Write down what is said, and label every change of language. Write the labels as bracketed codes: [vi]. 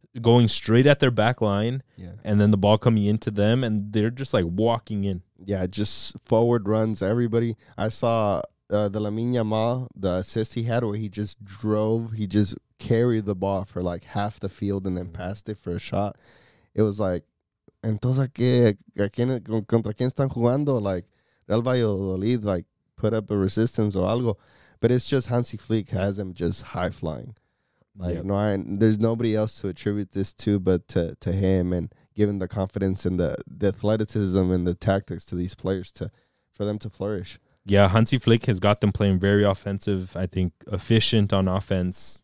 [en] Going straight at their back line. Yeah. And then the ball coming into them, and they're just like walking in. Yeah, just forward runs everybody. I saw the Lamine Yamal, the assist he had where he just carry the ball for like half the field and then passed it for a shot. It was like, [es] entonces contra quién están jugando? [en] Like Real Valladolid, like put up a resistance or algo. But it's just Hansi Flick has him just high flying. Like yep. There's nobody else to attribute this to but to him, and given the confidence and the athleticism and the tactics to these players for them to flourish. Yeah, Hansi Flick has got them playing very offensive. I think efficient on offense.